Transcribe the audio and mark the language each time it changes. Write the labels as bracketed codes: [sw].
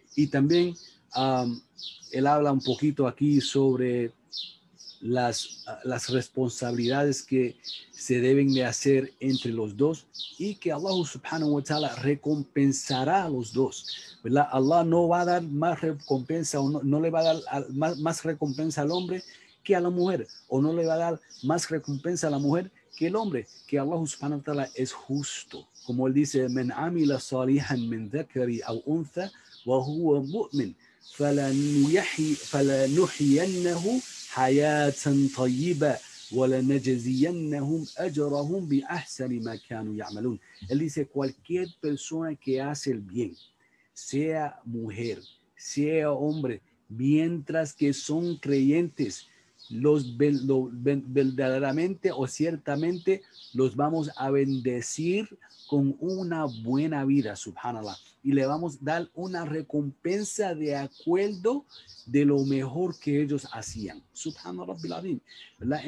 [es] Y también él habla un poquito aquí sobre las responsabilidades que se deben de hacer entre los dos y que Allah subhanahu wa ta'ala recompensará a los dos, ¿verdad? Allah no va a dar más recompensa o no le va a dar más recompensa al hombre que a la mujer, o no le va a dar más recompensa a la mujer que el hombre, que Allah subhanahu wa ta'ala es justo. Como él dice, [ar] من عمل صالحا من ذكر أو أنثى وهو مؤمن فلنحيينه حياة طيبة ولنجزينهم أجرهم بأحسن ما كانوا يعملون. [es] Él dice, cualquier persona que hace el bien, sea mujer, sea hombre, mientras que son creyentes, verdaderamente o ciertamente los vamos a bendecir con una buena vida, subhanallah, y le vamos a dar una recompensa de acuerdo de lo mejor que ellos hacían, subhanallah, bilabim, ¿verdad?